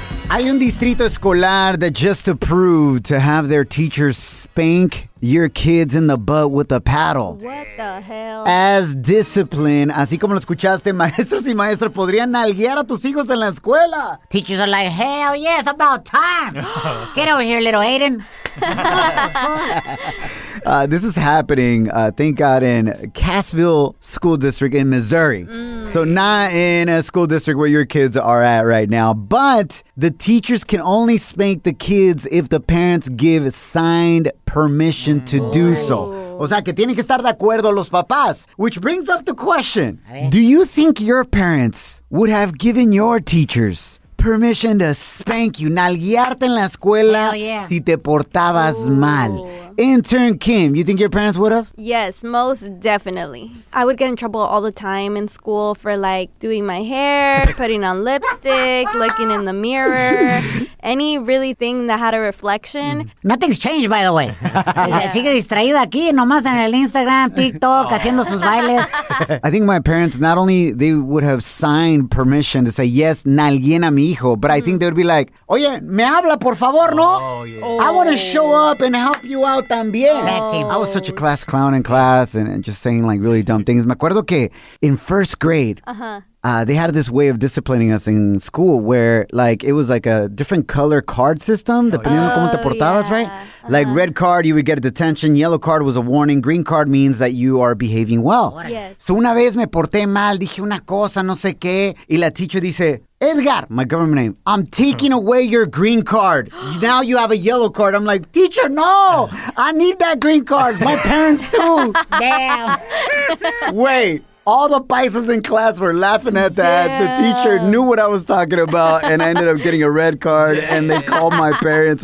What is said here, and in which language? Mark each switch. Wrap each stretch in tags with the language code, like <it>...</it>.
<es>Hay un distrito escolar</es> <en>that just approved to have their teachers spank your kids in the butt with a paddle. What the hell? As discipline,</en> <es>así como lo escuchaste, maestros y maestras podrían nalguear a tus hijos en la escuela.</es> <en>Teachers are like, hell yeah, it's about time. Get over here, little Aiden. This is happening, thank God, in Cassville School District in Missouri. So not in a school district where your kids are at right now. But the teachers can only spank the kids if the parents give signed permission to do so.</en> <es>O sea, que tienen que estar de acuerdo los papás.</es> <en>Which brings up the question. Do you think your parents would have given your teachers permission to spank you,</en> <es>nalguearte en la escuela si te portabas mal?</es> <en>intern Kim, you think your parents would have? Yes, most definitely. I would get in trouble all the time in school for like doing my hair, putting on lipstick, looking in the mirror, any really thing that had a reflection. Nothing's changed, by the way.</en> <es>Sigue distraída aquí, nomás en el Instagram, TikTok, haciendo sus bailes.</es> <en>I think my parents, not only they would have signed permission to say yes,</en> <es>nalguien a mi hijo,</es> <en>but I think they would be like,</en> <es>oye, me habla, por favor, ¿no?</es> <en>I want to show up and help you out también. I was such a class clown in class and just saying like really dumb things.</en> <es>Me acuerdo que</es> <en>in first grade, they had this way of disciplining us in school where like it was like a different color card system depending on</en> <es>cómo te portabas,</es> <en>right? Like red card, you would get a detention. Yellow card was a warning. Green card means that you are behaving well. Yes.</en> <es>So una vez me porté mal, dije una cosa, no sé qué. Y la teacher dice,</es> <en>Edgar, my government name, I'm taking away your green card. Now you have a yellow card. I'm like, teacher, no. I need that green card. My parents too. Damn. Wait. All the paisas in class were laughing at that. Yeah. The teacher knew what I was talking about, and I ended up getting a red card, and they called my parents.</en>